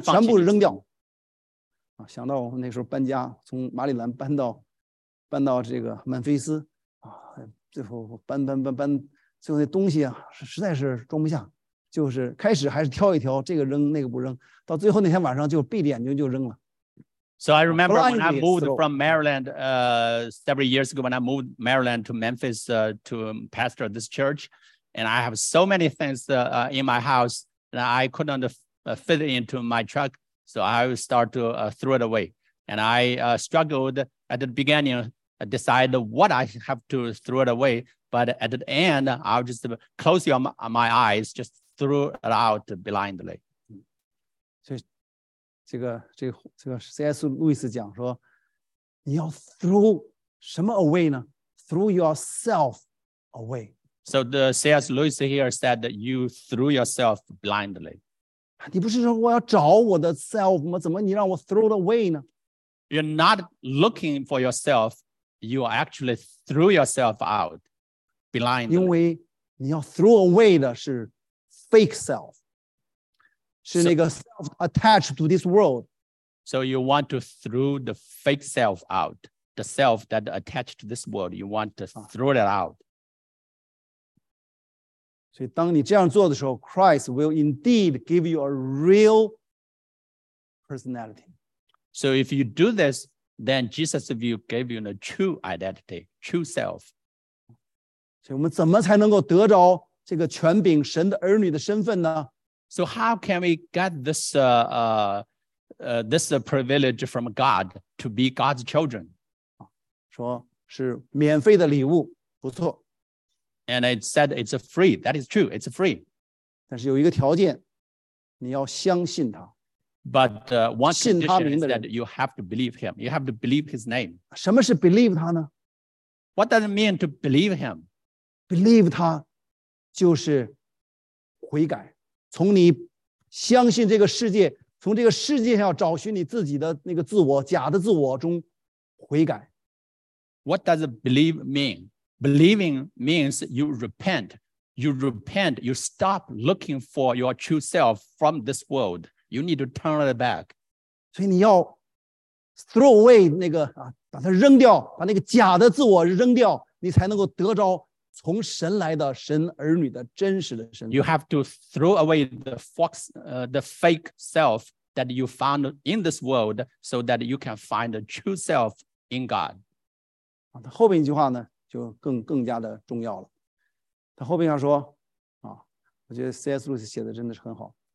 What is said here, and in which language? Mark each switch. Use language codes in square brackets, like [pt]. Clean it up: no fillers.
[zh] 全部扔掉、啊、想到我那时候搬家从马里兰搬到这个曼菲斯、啊、最后搬最后那东西、啊、实在是装不下就是开始还是挑一挑这个扔那个不扔到最后那天晚上就闭眼睛就扔了 [en] So I remember when I moved from Maryland several years ago when I moved Maryland to Memphis to pastor this church and I have so many things in my houseAnd I couldn't fit into my truck, so I would start to throw it away. And I struggled at the beginning, decide what I have to throw it away. But at the end, I would just close my eyes, just throw it out blindly. [zh] So, 这个 C.S. Lewis 讲说，你要 throw 什么 away 呢？ [en] Throw yourself away. So the C.S. Lewis here said that you threw yourself blindly. [zh] 你不是说我要找我的 self 吗？怎么你让我 [en] throw it away [zh] 呢？ [en] You're not looking for yourself. You actually threw yourself out blindly. [zh] 因为你要 [en] throw away [zh] 的是 [en] fake self. [zh] 是那个 [en] self attached to this world. So you want to throw the fake self out. The self that attached to this world. You want to throw that out. [zh] 所以当你这样做的时候 [en] Christ will indeed give you a real personality. So if you do this, then Jesus will give you a true identity, true self. [zh] 所以我们怎么才能够得着这个权柄神的儿女的身份呢? [en] So how can we get this, this privilege from God to be God's children? [zh] 说是免费的礼物,不错。 [en] And it said it's a free. That is true. It's a free. [zh] 但是有一个条件，你要相信他。 [en] But one condition is that you have to believe him. You have to believe his name. [zh] 什么是 believe 他呢？ [en] What does it mean to believe him? [zh] Believe 他就是悔改，从你相信这个世界，从这个世界上找寻你自己的那个自我，假的自我中悔改。 [en] What does believe mean? Believing means you repent. You repent. You stop looking for your true self from this world. You need to turn it back. [zh] 所以你要 [en] throw away [zh] 那个、啊、把它扔掉，把那个假的自我扔掉，你才能够得着从神来的神儿女的真实的身份。 [en] You have to throw away the fake self that you found in this world, so that you can find the true self in God. [zh] 后面一句话呢？就更加的重要了。他后面要说、啊、我觉得 C.S. Lewis 写的真的是很好。